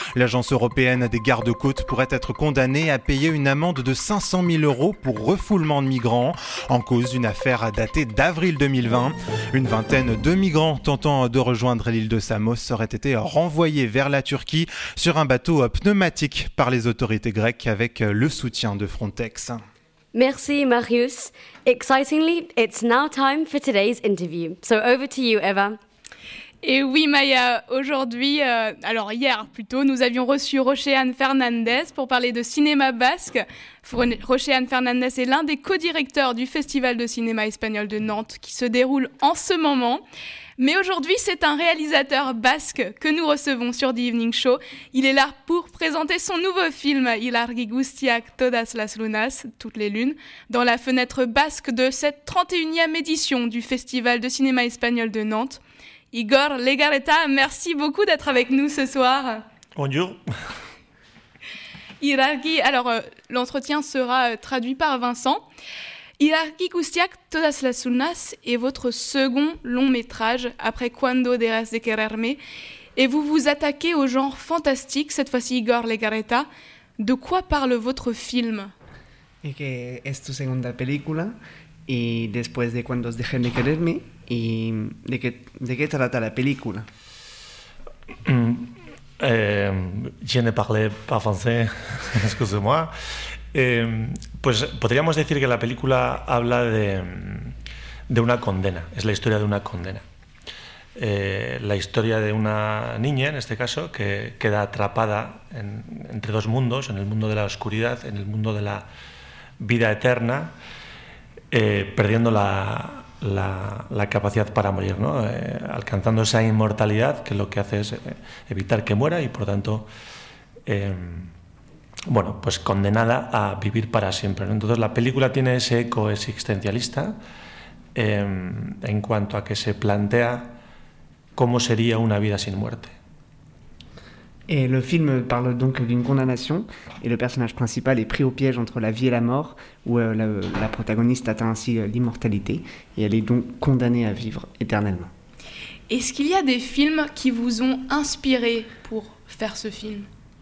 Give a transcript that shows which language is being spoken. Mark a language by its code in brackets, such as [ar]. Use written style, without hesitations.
[fr] L'agence européenne des gardes-côtes pourrait être condamnée à payer une amende de 500 000 euros pour refoulement de migrants, en cause d'une affaire datée d'avril 2020. Une vingtaine de migrants tentant de rejoindre l'île de Samos auraient été renvoyés vers la Turquie sur un bateau pneumatique par les autorités grecques avec le soutien de Frontex. Merci Marius. [en] Excitingly, it's now time for today's interview. So over to you, Eva. [fr] Et oui, Maya, aujourd'hui, hier plutôt, nous avions reçu Rocheane Fernandez pour parler de cinéma basque. Rocheane Fernandez est l'un des co-directeurs du Festival de cinéma espagnol de Nantes qui se déroule en ce moment. Mais aujourd'hui, c'est un réalisateur basque que nous recevons sur The Evening Show. Il est là pour présenter son nouveau film « Ilargi guztiak todas las lunas »« Toutes les lunes » dans la fenêtre basque de cette 31e édition du Festival de cinéma espagnol de Nantes. Igor Legarreta, merci beaucoup d'être avec nous ce soir. Bonjour. Ilargi, alors l'entretien sera traduit par Vincent. Ilargi guztiak todas las lunas est votre second long métrage après Cuando dejas de quererme. Et vous vous attaquez au genre fantastique, cette fois-ci Igor Legarreta. De quoi parle votre film ? [es] Et que es tu segunda película y después de Cuando dejas de quererme. Y de qué trata la película? [fr] Je ne parle pas français, excusez-moi. [es] Pues podríamos decir que la película habla de una condena, es la historia de una condena. La historia de una niña, en este caso, que queda atrapada entre dos mundos, en el mundo de la oscuridad, en el mundo de la vida eterna, perdiendo la capacidad para morir, ¿no? Alcanzando esa inmortalidad que lo que hace es evitar que muera y, por tanto, pues condenada a vivir para siempre, ¿no? Entonces, la película tiene ese eco existencialista en cuanto a que se plantea cómo sería una vida sin muerte. [fr] Le film parle donc d'une condamnation et le personnage principal est pris au piège entre la vie et la mort où la protagoniste atteint ainsi l'immortalité et elle est donc condamnée à vivre éternellement. Est-ce qu'il y a des films qui vous ont inspiré pour faire ce film ?